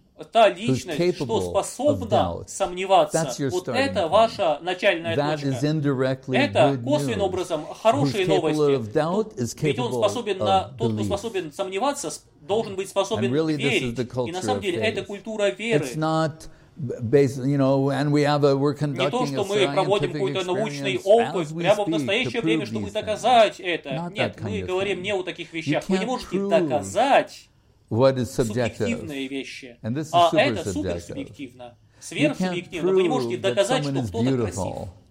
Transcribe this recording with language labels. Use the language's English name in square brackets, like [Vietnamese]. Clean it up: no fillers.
[Russian] Та личность, что способна сомневаться, вот это ваша начальная точка. Это косвенным образом хорошие новости. Ведь он способен на тот, кто способен сомневаться, должен быть способен [English] really [Russian] верить. И на самом деле это культура веры. [English] It's not based, you know, and we have a, we're conducting [Russian] не то, что мы проводим какой-то научный опыт прямо в настоящее время, чтобы доказать это. Нет, мы говорим не о таких вещах. Вы не можете доказать [English] what is subjective. [Russian] Субъективные вещи. [English] And this is [Russian] а это суперсубъективно. Сверхсубъективно. Вы не можете доказать, что кто-то красив.